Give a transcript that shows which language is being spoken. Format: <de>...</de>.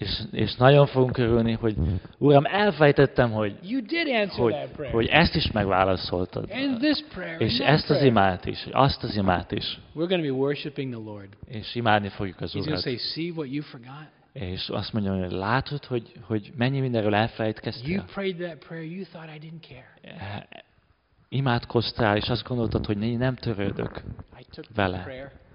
<hu>És nagyon fogunk örülni, hogy Uram, elfejtettem, hogy ezt is megválaszoltad. És ezt az imát is, azt az imát is.</hu> <en>We're going to be worshiping the Lord.</en> <hu>És imádni fogjuk az Urat.</hu> <en>Say, see what you forgot?</en> <hu>És azt mondja, hogy látod, hogy mennyi mindenről elfelejtkeztél.</hu> <en>You prayed that prayer, you thought I didn't care.</en> <hu>Imádkoztál, és azt gondoltad, hogy nem törődök vele.</hu>